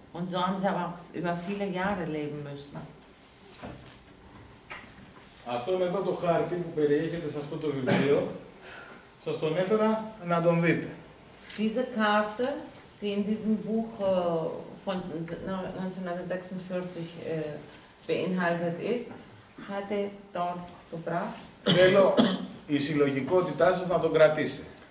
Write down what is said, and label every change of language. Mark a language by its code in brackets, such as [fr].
[de] Und so haben sie aber auch über viele Jahre leben müssen. [el] Αυτό μετά το χάρτη που περιέχεται σε αυτό το βιβλίο, σας τον έφερα να τον δείτε. [de] Diese Karte, die in diesem Buch von 1946 beinhaltet ist, hatte dort gebracht. [el] Θέλω η συλλογικότητά σας να τον κρατήσει.